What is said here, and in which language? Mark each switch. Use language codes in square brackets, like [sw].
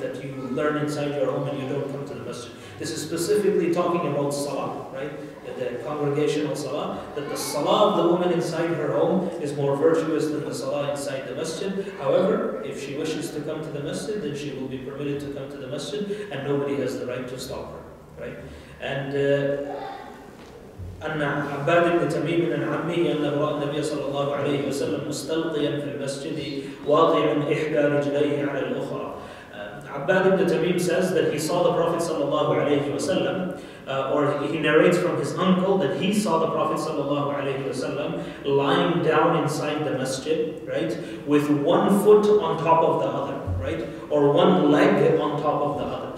[en] That you learn inside your home and you don't come to the masjid. This is specifically talking about salah, right? The congregational salah, that the salah of the woman inside her home is more virtuous than the salah inside the masjid. However, if she wishes to come to the masjid, then she will be permitted to come to the masjid, and nobody has the right to stop her, right? [ar] And أن عباد بن تميم عن عمه أنه رأى النبي صلى الله عليه وسلم مستلقيا في المسجد واضعا إحدى رجليه على الأخرى. [en] Abbad ibn Tamim says that he saw the Prophet sallallahu alayhi wa sallam, or he narrates from his uncle that he saw the Prophet sallallahu alayhi wa sallam lying down inside the masjid, right, with one foot on top of the other, right, or one leg on top of the other.